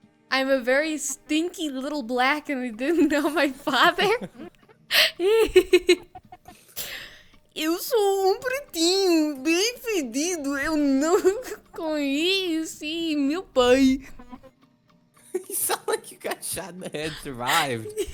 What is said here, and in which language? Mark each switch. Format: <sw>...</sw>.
<en>I'm a very stinky little black and I didn't know my father.</en> <pt>Eu sou pretinho, bem fedido, eu não conheci meu pai.</pt> <en>You sound like you got shot in the head, survived.</en>